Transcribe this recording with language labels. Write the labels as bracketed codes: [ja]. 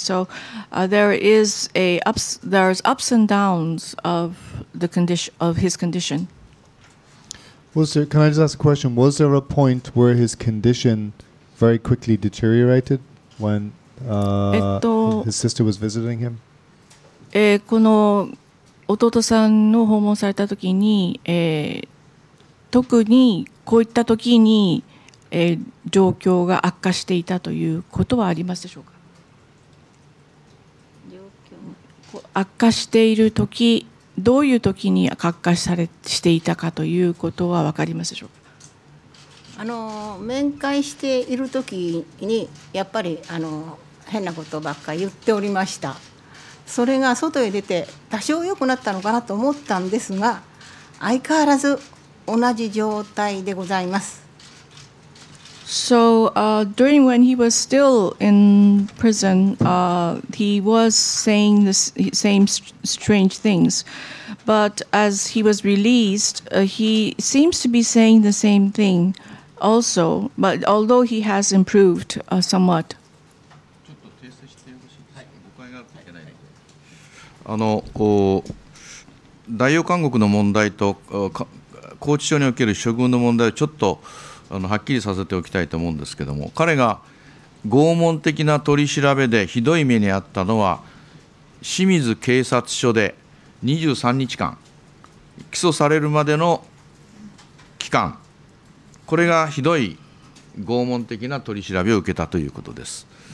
[en] So there's ups and downs of his condition. Was there, can I just ask a question? Was there a point where his condition very quickly deteriorated when his sister was visiting him? [ja] この弟さんの訪問された時に、特にこういった時に、状況が悪化していたということはありますでしょうか？悪化している時、どういう時に悪化されしていたかということは分かりますでしょうか？あの面会している時にやっぱりあの変なことばっかり言っておりました。それが外へ出て多少良くなったのかなと思ったんですが、相変わらず同じ状態でございます。 [en] So, during when he was still in prison, he was saying the same strange things. But as he was released, he seems to be saying the same thing also, but although he has improved somewhat. [ja] あの代用監獄の問題と拘置所における処遇の問題をちょっとあのはっきりさせておきたいと思うんですけども、彼が拷問的な取り調べでひどい目に遭ったのは清水警察署で23日間起訴されるまでの期間、これがひどい拷問的な取り調べを受けたということです。